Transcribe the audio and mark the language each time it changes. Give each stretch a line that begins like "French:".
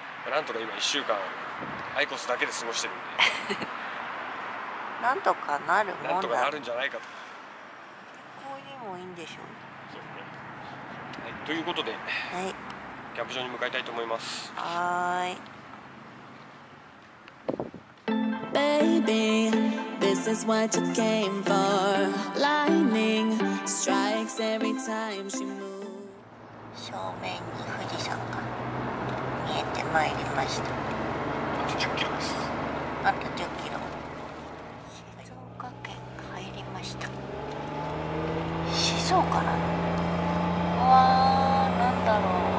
Japanese: なんとか今1週間、アイコスだけで過ごしてるんで。なんとかなるもんだ。なんとかなるんじゃないかと。結構にもいいんでしょう。そうですね。はい、ということで、はい、キャンプ場に向かいたいと思います。はーい。
English: Baby, this is what you came for. Lightning strikes every time she moves.
Japanese: 正面に富士山が見えてまいりました。あと10キロです。あと10キロ。静岡県入りました。静岡なの。わー、なんだろう、